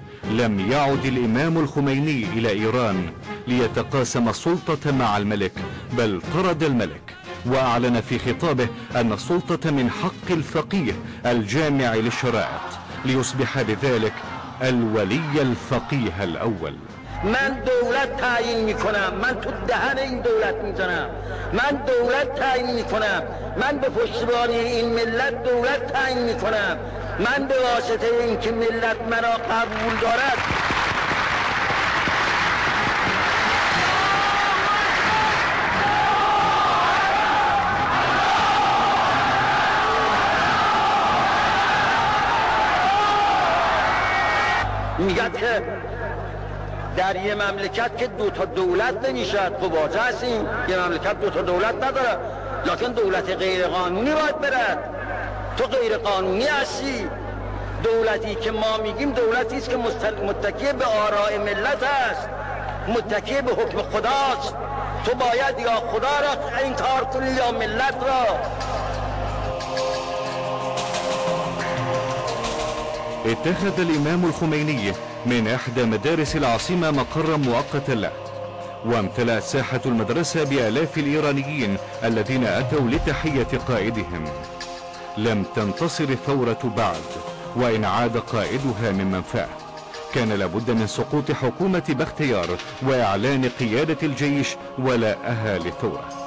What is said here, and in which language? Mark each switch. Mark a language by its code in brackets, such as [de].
[ar] لم يعد الإمام الخميني إلى إيران ليتقاسم السلطة مع الملك، بل طرد الملك وأعلن في خطابه أن السلطة من حق الفقيه الجامع للشرائط، ليصبح بذلك الولي الفقيه الأول. [fa] من دولت تعیین میکنم، من تو دهن این دولت میزنم، من دولت تعیین میکنم، من به پشتیبانی این ملت دولت تعیین میکنم، من به واسطه این که ملت مرا قبول دارد. میگد که در یه مملکت که دو تا دولت نمیشد، خب واضح است این یه مملکت دو تا دولت نداره، لکن دولت غیر قانونی باید برد. تو غیر قانونی هستی. دولتی که ما میگیم دولتی است که متکی به آراء ملت است، متکی به حکم خداست. تو باید یا خدا را انکار کنی یا ملت را. [ar] اتخذ الامام الخميني من احدى مدارس العاصمة مقرا مؤقتا له، وامتلأت ساحة المدرسة بآلاف الايرانيين الذين اتوا لتحية قائدهم. لم تنتصر الثورة بعد، وان عاد قائدها ممن فات كان لابد من سقوط حكومة بختيار واعلان قيادة الجيش ولا اهالي الثورة.